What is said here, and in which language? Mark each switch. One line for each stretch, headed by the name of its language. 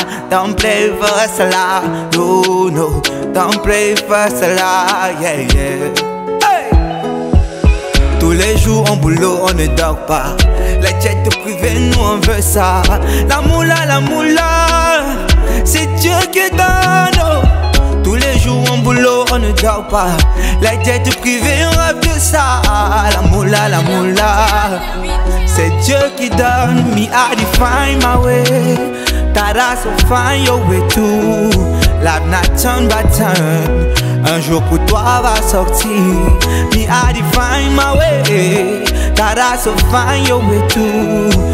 English: Don't play first la, you know. Don't play first la, yeah, yeah. Hey!
French: Tous les jours en boulot, on ne dort pas. Les têtes privées, nous on veut ça. La moula, la moula, c'est Dieu qui donne. Oh. Tous les jours en boulot, on ne dort pas. La tête privée, on rêve de ça. La moula, c'est Dieu qui donne.
English: Me I define my way, Tara so find your way too. Life not turn by turn,
French: un jour pour toi va sortir.
English: Me I define my way, Tara so find your way too.